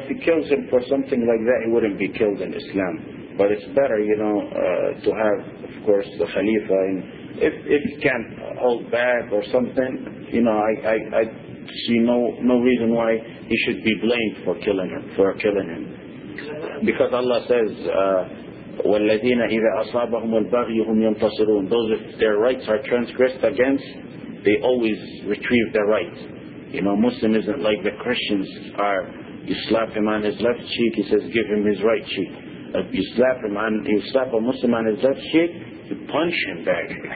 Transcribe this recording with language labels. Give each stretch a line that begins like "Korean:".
English: if he kills him for something like that, he wouldn't be killed in Islam. But it's better, you know, to have, of course, the Khalifa. And if you can't hold back or something, you know, I see no reason why he should be blamed for killing him.
Arabic: Because Allah says, وَالَّذِينَ إِذَا أَصَابَهُمُ الْبَغْيُ هُمْ يَنْتَصِرُونَ.
English: Those if their rights are transgressed against, they always retrieve their rights. You know, Muslim isn't like the Christians are. You slap him on his left cheek, he says, give him his right cheek. You slap a Muslim on his left cheek, you punch him back.